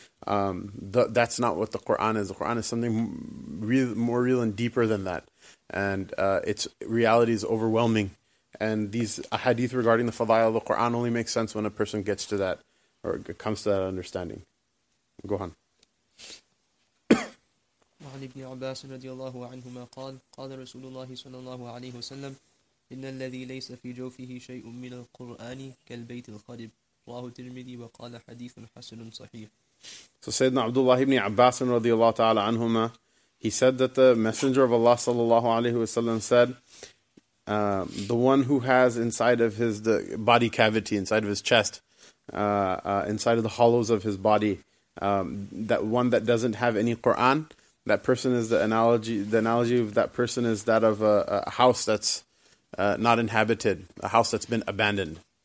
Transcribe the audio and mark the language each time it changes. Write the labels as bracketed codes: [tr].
[en] That's not what the Quran is. The Quran is something real, more real and deeper than that. And its reality is overwhelming. And these hadith regarding the fadail of the Quran only make sense when a person gets to that, or comes to that understanding. Go on. [ar] وعن ابن عباس رضي الله عنهما قال قال رسول الله صلى الله عليه وسلم إن الذي ليس في جوفه شيء من القرآن كالبيت القريب رواه الترمذي وقال حديث حسن صحيح. [en] So سيدنا عبد الله ابن عباس [ar] رضي الله تعالى عنهما, [en] he said that the messenger of Allah [ar] صلى الله عليه وسلم [en] said, the one who has inside of his the body cavity, inside of his chest, inside of the hollows of his body, that one that doesn't have any Quran, that person is the analogy of that person is that of a house that's not inhabited, a house that's been abandoned.